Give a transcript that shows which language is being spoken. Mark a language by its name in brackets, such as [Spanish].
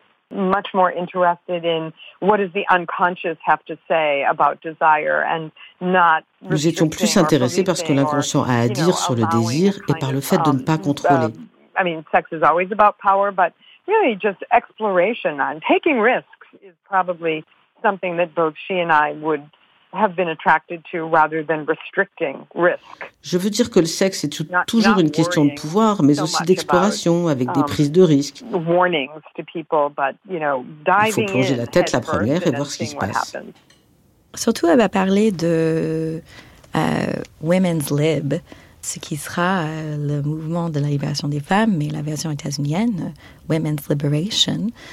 [English] Much more interested in what does the unconscious have to say about desire and not. [French] Nous étions plus intéressés par ce que l'inconscient a à dire sur le désir et par le fait de ne pas contrôler. [English] I mean, sex is always about power, but really just exploration and taking risks is probably something that both she and I would have been attracted to rather than restricting risk. [French] Je veux dire que le sexe est toujours une question de pouvoir, mais aussi d'exploration avec des prises de risques. [English] Warnings to people, but you know, diving. [French] Il faut plonger la tête la première et voir ce qui se passe. Surtout, elle va parler de Women's Lib, ce qui sera le mouvement de la libération des femmes, mais la version états-unienne, Women's Liberation.